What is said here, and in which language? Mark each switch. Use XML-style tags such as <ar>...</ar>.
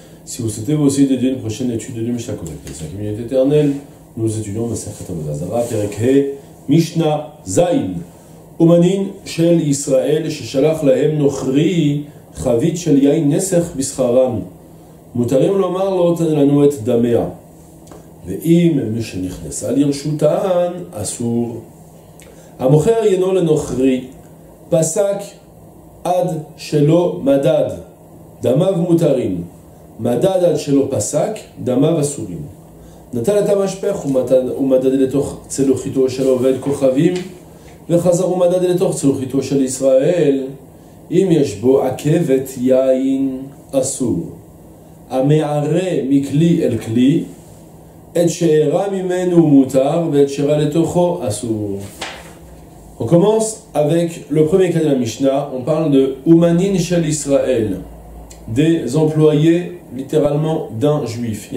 <fr>Si vous souhaitez vous aussi dédier une prochaine étude de Mishnah connectée à la communauté éternelle, nous étudions le Sefer Tamid Azara, Perek He, Mishnah Zain,</fr> <he>Omanin, Shel Israël, Shishalach Lahem Nochri, Chavit Shel Yain Nesech Bisharam, Mutarim Lomar Lotan Lanouet Damea. ואם מי שנכנסה לרשותן, אסור. המוכר ינו לנוכרי, פסק עד שלא מדד, דמיו מותרים. מדד עד שלא פסק, דמיו אסורים. נטל את המשפך ומדד לתוך צלוחיתו של עובד כוכבים, וחזר ומדד לתוך צלוחיתו של ישראל. אם יש בו עקבת יין, אסור. המערה מכלי אל כלי, Et chéra mimenu mutar, et chéra letocho asur.</he> <fr>On commence avec le premier cas de la Mishnah. On parle de Umanin shel Israël, des employés littéralement d'un juif.</fr>